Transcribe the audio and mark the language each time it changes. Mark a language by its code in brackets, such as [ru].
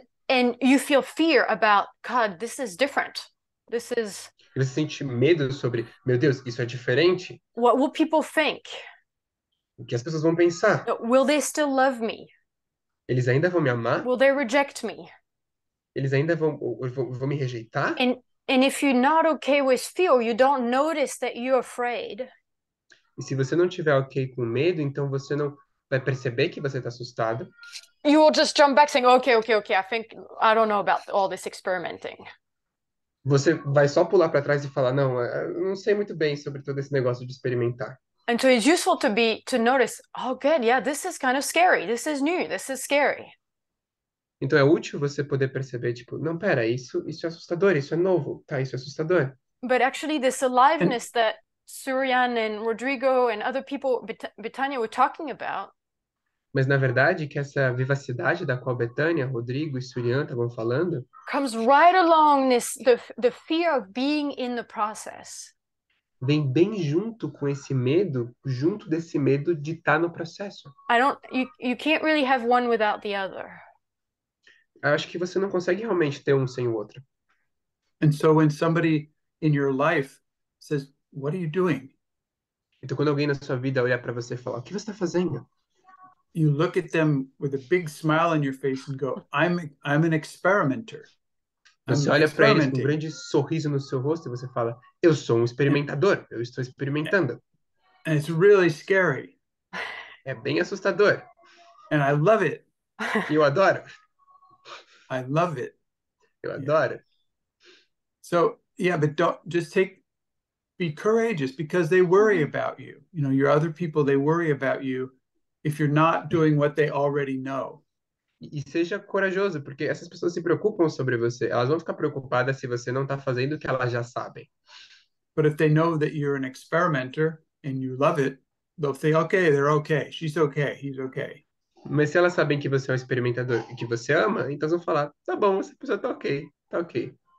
[en] And you feel fear about, God, this is different. This is... [pt] E você sente medo sobre, meu Deus, isso é diferente? [en] What will people think? [pt] O que as pessoas vão pensar? [en] Will they still love me? [pt] Eles ainda vão me amar? [en] Will they reject me? [pt] Eles ainda vão me rejeitar? [en] And if you're not okay with fear, you don't notice that you're afraid. [pt] E se você não tiver ok com medo, então você não vai perceber que você está assustado. [en] You will just jump back saying, okay, I think, I don't know about all this experimenting. [pt] Você vai só pular para trás e falar, não, eu não sei muito bem sobre todo esse negócio de experimentar. [en] And so it's useful to notice, oh, good, yeah, this is kind of scary, this is new, this is scary. [pt] Então é útil você poder perceber, tipo, não, pera, isso é assustador, isso é novo, tá, isso é assustador. [en] But actually this aliveness that Surian and Rodrigo and other people, Betânia, were talking about, [pt] mas na verdade que essa vivacidade da qual Betânia, Rodrigo e Surian estavam falando [en] comes right along this the fear of being in the process. [pt] Vem bem junto com esse medo, junto desse medo de estar no processo. [en] You can't really have one without the other. [pt] Eu acho que você não consegue realmente ter um sem o outro. [en] And so when somebody in your life says, "What are you doing?" [pt] Então quando alguém na sua vida olhar para você e falar, "O que você está fazendo?" [en] You look at them with a big smile on your face and go, I'm an experimenter. [pt] Você olha para eles com um grande sorriso no seu rosto e você fala, eu sou experimentador, eu estou experimentando. [en] And it's really scary. [pt] É bem assustador. [en] And I love it. [pt] Eu adoro. [en] I love it. [pt] Eu adoro. [en] So, yeah, but don't just take Be courageous, because they worry about you. You know, your other people, they worry about you if you're not doing what they already know. [pt] E seja corajoso, porque essas pessoas se preocupam sobre você. Elas vão ficar preocupadas se você não está fazendo o que elas já sabem. But if they know that you're an experimenter and you love it, they'll say, okay, they're okay, she's okay, he's okay. Mas se elas sabem que você é um experimentador e que você ama, então elas vão falar, tá bom, essa pessoa tá ok, tá ok.